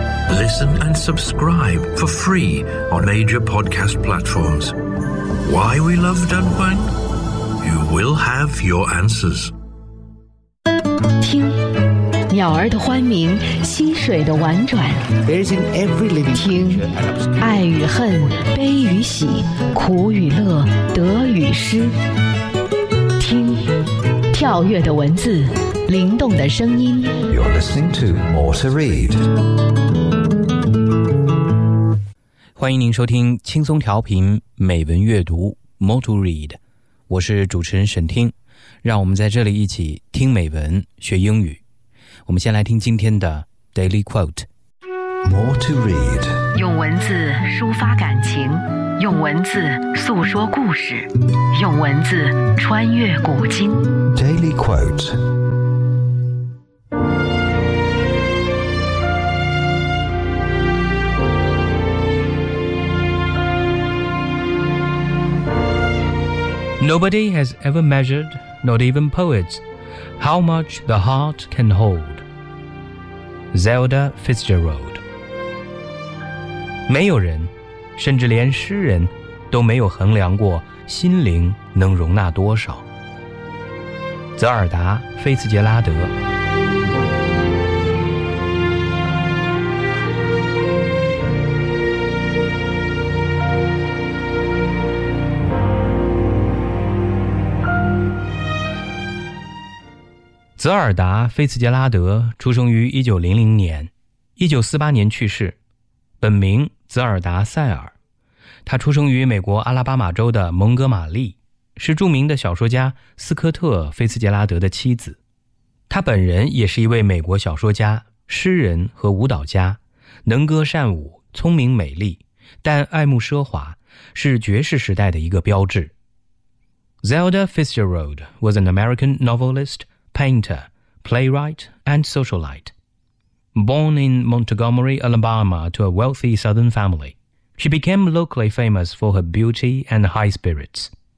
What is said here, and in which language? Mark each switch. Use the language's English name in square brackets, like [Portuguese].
[English] Listen and subscribe for free on major podcast platforms. Why We Love Dunhuang? You will have your answers. [Chinese] 听鸟儿的欢鸣，溪水的婉转。 [English] There is in every living creature an obscure. [Chinese] 爱与恨，悲与喜，苦与乐，得与失。听跳跃的文字，灵动的声音。 [English] You're listening to More to Read. [Chinese] 欢迎您收听轻松调频美文阅读 More to Read， 我是主持人沈听，让我们在这里一起听美文学英语。我们先来听今天的 Daily Quote。 [English] More to Read， [Chinese] 用文字抒发感情，用文字诉说故事，用文字穿越古今。 [English] Daily Quote。 Nobody has ever measured, not even poets, how much the heart can hold. Zelda Fitzgerald. [Chinese] 没有人，甚至连诗人，都没有衡量过心灵能容纳多少。泽尔达·菲茨杰拉德。泽尔达·菲茨杰拉德出生于1900年，1948年去世，本名泽尔达·塞尔。他出生于美国阿拉巴马州的蒙哥马利，是著名的小说家斯科特·菲茨杰拉德的妻子。他本人也是一位美国小说家、诗人和舞蹈家，能歌善舞，聪明美丽，但爱慕奢华，是爵士时代的一个标志。 [English] Zelda Fitzgerald was an American novelist,painter, playwright, and socialite. Born in Montgomery, Alabama, to a wealthy Southern family, she became locally famous for her beauty and high spirits.